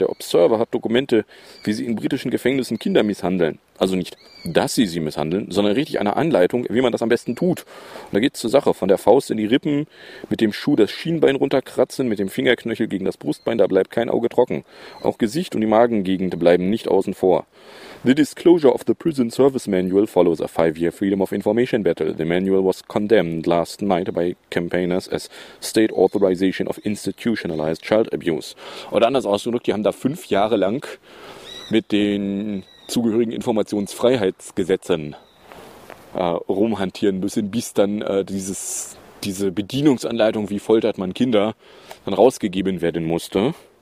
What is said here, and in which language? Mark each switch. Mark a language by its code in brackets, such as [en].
[de] Der Observer hat Dokumente, wie sie in britischen Gefängnissen Kinder misshandeln. Also nicht, dass sie sie misshandeln, sondern richtig eine Anleitung, wie man das am besten tut. Und da geht es zur Sache. Von der Faust in die Rippen, mit dem Schuh das Schienbein runterkratzen, mit dem Fingerknöchel gegen das Brustbein, da bleibt kein Auge trocken. Auch Gesicht und die Magengegend bleiben nicht außen vor. [en] The disclosure of the prison service manual follows a 5-year freedom of information battle. The manual was condemned last night by campaigners as state authorization of institutionalized child abuse. [de] Oder anders ausgedrückt, die haben da 5 Jahre lang mit den zugehörigen Informationsfreiheitsgesetzen rumhantieren müssen, bis dann diese Bedienungsanleitung, wie foltert man Kinder, dann rausgegeben werden musste.